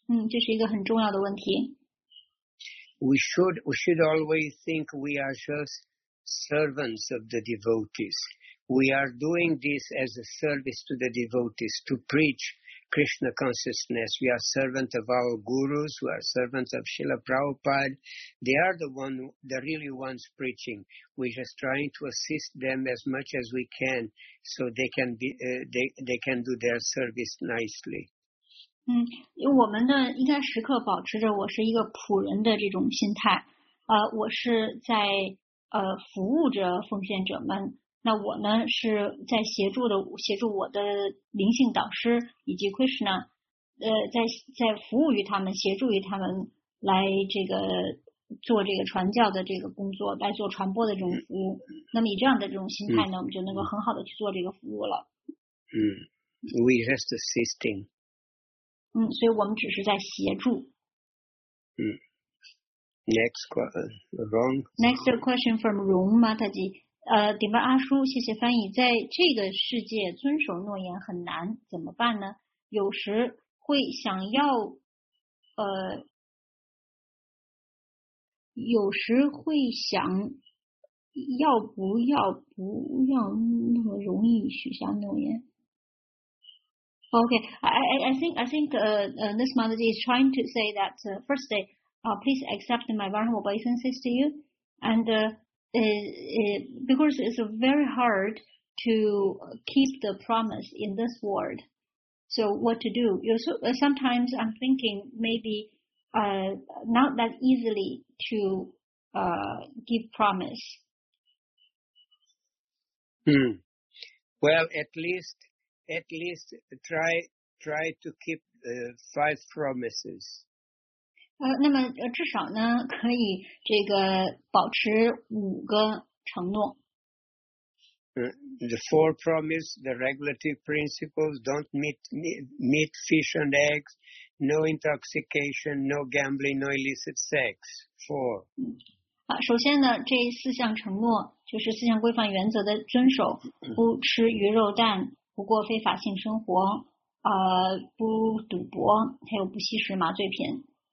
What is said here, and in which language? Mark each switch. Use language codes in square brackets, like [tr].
[zh] 这是一个很重要的问题。 [en] We should always think we are just servants of the devotees. We are doing this as a service to the devotees, to preach Krishna consciousness. We are servants of our gurus, we are servants of Srila Prabhupada. They are the really ones preaching. We're just trying to assist them as much as we can so they can be, they can do their service nicely. [zh] 我们的应该时刻保持着我是一个仆人的这种心态。我是在服务着奉献者们。那我呢是在协助我的灵性导师以及 Krishna， 在服务于他们，协助于他们来这个做这个传教的这个工作，来做传播的这种服务。那么以这样的这种心态呢，我们就能够很好的去做这个服务了。 [en] We just assisting。 [zh] 所以我们只是在协助。 [en] Next question from Rong Mataji。 [zh] 顶班阿叔，谢谢翻译。在这个世界，遵守诺言很难，怎么办呢？有时会想要，有时会想要不要那么容易许下诺言。 [en] Okay, I think this mother is trying to say that firstly, please accept my vulnerable obeisances to you and. Because it's very hard to keep the promise in this world. So what to do? Sometimes I'm thinking maybe not that easily to give promise. Well, at least try to keep five promises. [zh] 那么至少呢可以这个保持五个承诺。 [en] The four promise, the regulative principles, don't meat, fish and eggs, no intoxication, no gambling, no illicit sex. Four. [zh] 首先呢这四项承诺就是四项规范原则的遵守，不吃鱼肉蛋，不过非法性生活，不赌博，还有不吸食麻醉品。